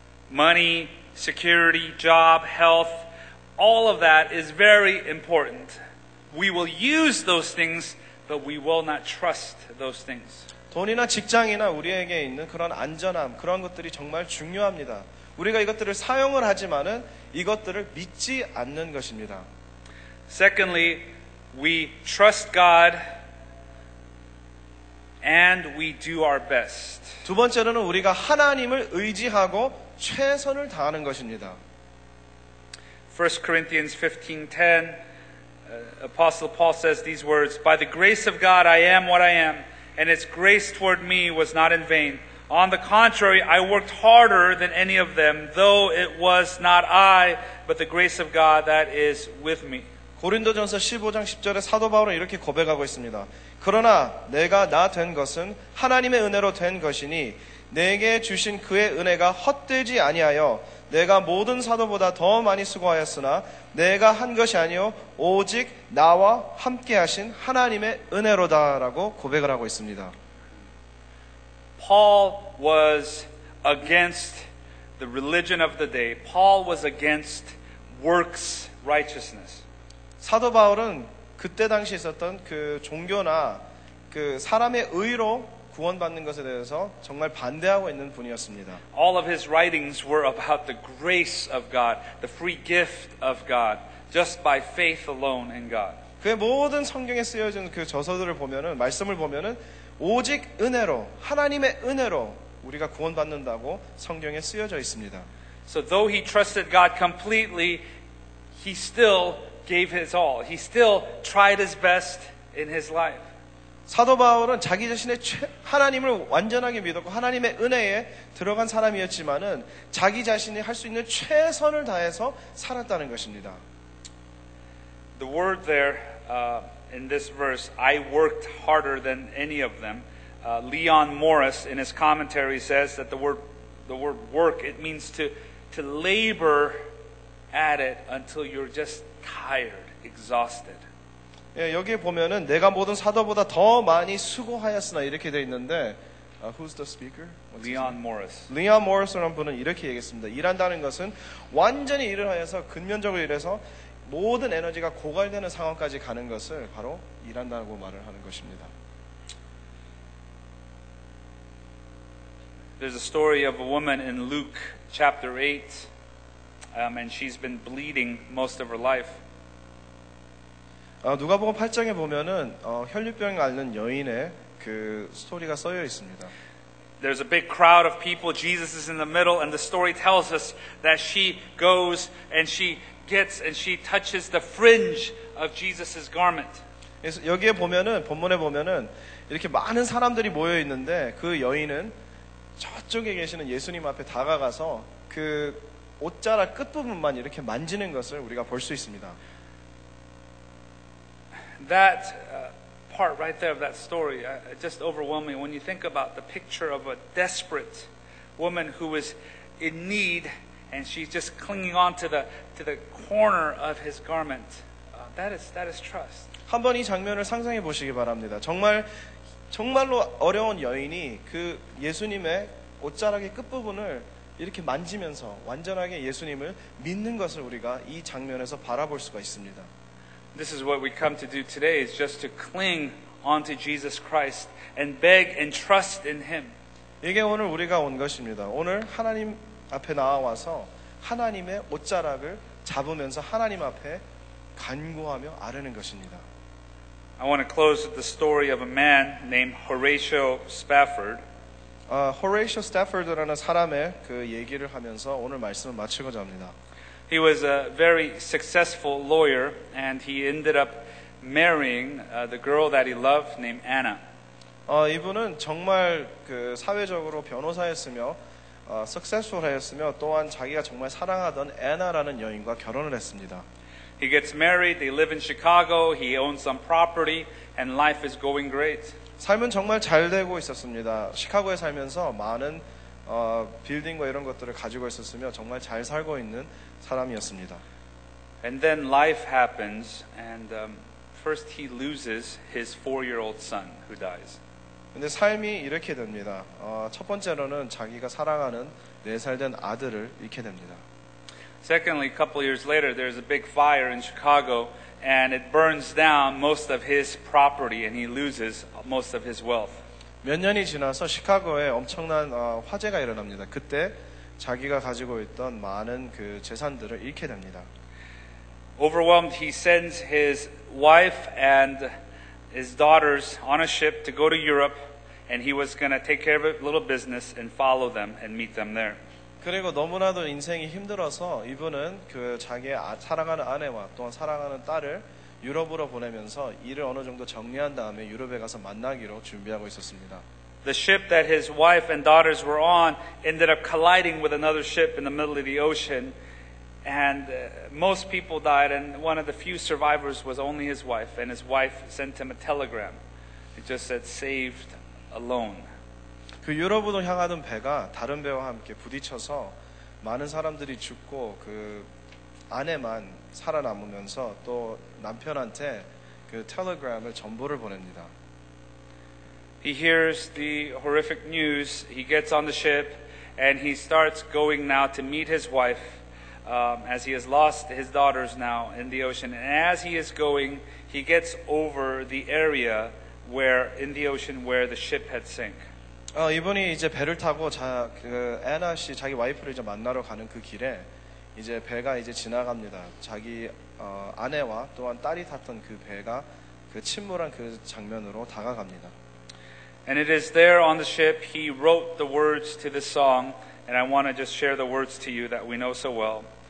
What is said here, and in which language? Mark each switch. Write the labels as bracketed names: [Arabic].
[English] Money, security, job, health, all of that is very important. We will use those things, but we will not trust those things. [Korean] 돈이나 직장이나 우리에게 있는 그런 안전함, 그런 것들이 정말 중요합니다. 우리가 이것들을 사용을 하지만은 이것들을 믿지 않는 것입니다. [English] Secondly, we trust God and we do our best. [Korean] 두 번째로는 우리가 하나님을 의지하고 최선을 다하는 것입니다. [English] 1 Corinthians 15:10 Apostle Paul says these words, By the grace of God I am what I am, and its grace toward me was not in vain. On the contrary, I worked harder than any of them, though it was not I, but the grace of God that is with me. [Korean] 고린도전서 15장 10절에 사도 바울은 이렇게 고백하고 있습니다. 그러나 내가 나 된 것은 하나님의 은혜로 된 것이니 내게 주신 그의 은혜가 헛되지 아니하여 내가 모든 사도보다 더 많이 수고하였으나 내가 한 것이 아니요 오직 나와 함께 하신 하나님의 은혜로다라고 고백을 하고 있습니다. [English] Paul was against the religion of the day. Paul was against works righteousness. [Korean] 사도 바울은 그때 당시 있었던 그 종교나 그 사람의 의로 구원받는 것에 대해서 정말 반대하고 있는 분이었습니다. [English] All of his writings were about the grace of God, the free gift of God, just by faith alone in God. [Korean] 그의 모든 성경에 쓰여진 그 저서들을 보면은 말씀을 보면은 오직 은혜로 하나님의 은혜로 우리가 구원받는다고 성경에 쓰여져 있습니다. [English] So though he trusted God completely, he still gave his all. He still tried his best in his life. [Korean] 사도 바울은 자기 자신의 하나님을 완전하게 믿었고 하나님의 은혜에 들어간 사람이었지만은 자기 자신이 할 수 있는 최선을 다해서 살았다는 것입니다. [English] The word there in this verse, I worked harder than any of them. Leon Morris in his commentary says that the word work, it means to labor at it until you're just tired, exhausted. [Korean] 예, 여기에 보면은 내가 모든 사도보다 더 많이 수고하였으나 이렇게 돼 있는데 [English] who's the speaker? Leon Morris. [Korean] Leon Morris라는 분은 이렇게 얘기했습니다. 일한다는 것은 완전히 일을 하여서 근면적으로 일해서 모든 에너지가 고갈되는 상황까지 가는 것을 바로 일한다고 말을 하는 것입니다. [English] There's a story of a woman in Luke chapter 8 and she's been bleeding most of her life. [Korean] 누가복음 8장에 보면은 혈류병 앓는 여인의 그 스토리가 써여 있습니다. [English] There's a big crowd of people. Jesus is in the middle and the story tells us that she goes and she gets and she touches the fringe of Jesus' garment. [Korean] 여기에 보면은 본문에 보면은 이렇게 많은 사람들이 모여 있는데 그 여인은 저쪽에 계시는 예수님 앞에 다가가서 그 옷자락 끝부분만 이렇게 만지는 것을 우리가 볼 수 있습니다. [English] That part right there of that story, just overwhelming. When you think about the picture of a desperate woman who is in need and she's just clinging on to the corner of his garment, that is trust. [Korean] 한번 이 장면을 상상해 보시기 바랍니다. 정말 정말로 어려운 여인이 그 예수님의 옷자락의 끝부분을 이렇게 만지면서 완전하게 예수님을 믿는 것을 우리가 이 장면에서 바라볼 수가 있습니다. [English] This is what we come to do today, is just to cling onto Jesus Christ and beg and trust in Him. [Korean] 이게 오늘 우리가 온 것입니다. 오늘 하나님 앞에 나와서 하나님의 옷자락을 잡으면서 하나님 앞에 간구하며 아뢰는 것입니다. [English] I want to close with the story of a man named Horatio Spafford. [Korean] Horatio Spafford라는 사람의 그 얘기를 하면서 오늘 말씀을 마치고자 합니다. [English] He was a very successful lawyer and he ended up marrying the girl that he loved named Anna. [Korean] 이분은 정말 그 사회적으로 변호사였으며 successful하였으며 또한 자기가 정말 사랑하던 애나라는 여인과 결혼을 했습니다. [English] He gets married, they live in Chicago, he owns some property and life is going great. [Korean] 삶은 정말 잘 되고 있었습니다. 시카고에 살면서 많은 빌딩과 이런 것들을 가지고 있었으며 정말 잘 살고 있는 사람이었습니다. [English] And then life happens and first he loses his 4-year-old son who dies. [Korean] 근데 삶이 이렇게 됩니다. 첫 번째로는 자기가 사랑하는 4살 된 아들을 잃게 됩니다. [English] Secondly, a couple years later there's a big fire in Chicago and it burns down most of his property and he loses most of his wealth. [Korean] 몇 년이 지나서 시카고에 엄청난 화재가 일어납니다. 그때 자기가 가지고 있던 많은 그 재산들을 잃게 됩니다. [English] Overwhelmed, he sends his wife and his daughters on a ship to go to Europe and he was going to take care of a little business and follow them and meet them there. [Korean] 그리고 너무나도 인생이 힘들어서 이분은 그 자기의 사랑하는 아내와 또한 사랑하는 딸을 유럽으로 보내면서 일을 어느 정도 정리한 다음에 유럽에 가서 만나기로 준비하고 있었습니다. [English] The ship that his wife and daughters were on ended up colliding with another ship in the middle of the ocean and most people died and one of the few survivors was only his wife and his wife sent him a telegram. It just said saved alone. [Korean] 그 유럽으로 향하는 배가 다른 배와 함께 부딪혀서 많은 사람들이 죽고 그 아내만 살아남으면서 또 남편한테 그 텔레그램을 전보를 보냅니다. [English] He hears the horrific news. He gets on the ship and he starts going now to meet his wife as he has lost his daughters now in the ocean. And as he is going, he gets over the area where in the ocean where the ship had sank. [Korean] 이분이 이제 배를 타고 그 애나 씨 자기 와이프를 이제 만나러 가는 그 길에 이제 배가 이제 지나갑니다. 자기 아내와 또한 딸이 탔던 그 배가 그 침몰한 그 장면으로 다가갑니다. [English] And it is there on the ship he wrote the words to the song, and I want to just share the words to you that we know so well.